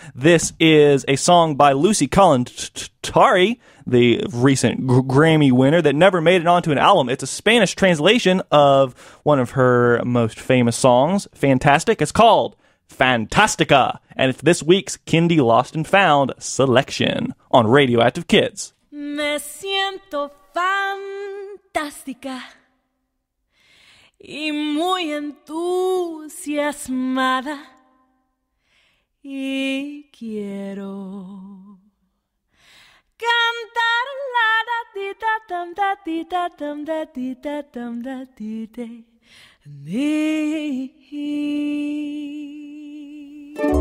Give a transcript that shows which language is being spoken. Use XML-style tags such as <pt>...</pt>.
<en>This is a song by Lucy Calendari, the recent Grammy winner that never made it onto an album. It's a Spanish translation of one of her most famous songs, Fantastic. It's called Fantastica, and it's this week's Kindy Lost and Found selection on Radioactive Kids.</en> <es>Me siento fantástica y muy entusiasmada, y quiero cantar la di da dum da di da dum da di da dum da di de ni.</es>